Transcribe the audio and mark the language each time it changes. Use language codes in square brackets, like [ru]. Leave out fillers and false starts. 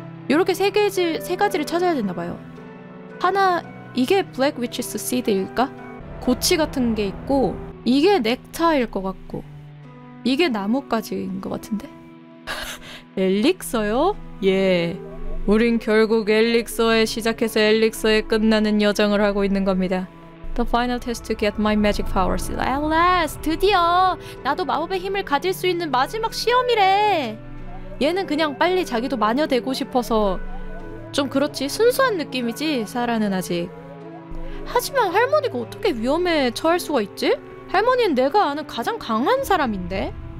[ko] 요렇게 세 가지를 찾아야 되나 봐요. 하나, 이게 블랙 위치스 시드일까? 고치 같은 게 있고 이게 넥타일 것 같고 이게 나뭇가지인 것 같은데? 엘릭서요? 예. 우린 결국 엘릭서에 시작해서 엘릭서에 끝나는 여정을 하고 있는 겁니다. [en] The final test to get my magic powers. At last! [ko] 드디어! 나도 마법의 힘을 가질 수 있는 마지막 시험이래! 얘는 그냥 빨리 자기도 마녀 되고 싶어서 좀 그렇지, 순수한 느낌이지? 사라는 아직. 하지만 할머니가 어떻게 위험에 처할 수가 있지? 할머니는 내가 아는 가장 강한 사람인데?